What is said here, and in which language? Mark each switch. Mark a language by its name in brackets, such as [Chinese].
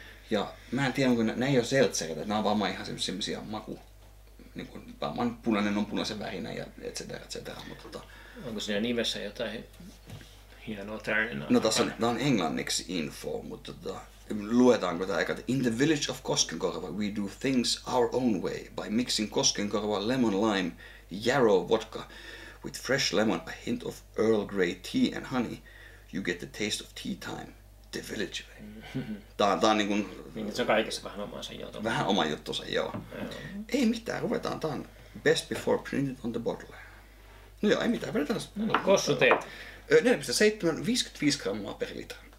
[Finnish] Ja mä en tiedä, onko nämä ei ole seltzereitä, nämä on varmaan ihan semmoisia maku, niin kuin varmaan punainen on punaisen värinä ja et cetera, et cetera. Mutta, onko siinä nimessä jotain? No tässä on englanniksi info, mutta luetaanko tämä eka? [English] In the village of Koskenkorva we do things our own way by mixing Koskenkorva lemon lime yarrow vodka with fresh lemon, a hint of Earl Grey tea and honey. You get the taste of tea time, the village way. [Finnish] Tämä on niin kuin... Se on kaikessa vähän omansa juttu. Vähän oma juttusa, joo. Ei mitään, ruvetaan. Tämä on [English] best before printed on the bottle. [Finnish] No joo, ei mitään, vedetään. No, Kossu teet. 4,7, 55 grammaa per litra.